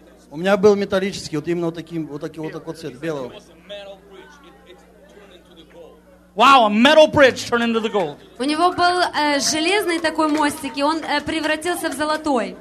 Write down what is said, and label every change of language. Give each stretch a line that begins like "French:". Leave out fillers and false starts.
Russian: У меня был металлический, вот именно таким, вот такой вот цвет, белого.
English: Wow, a metal bridge turned into the gold.
Russian: У него был железный такой мостик, и он превратился в золотой.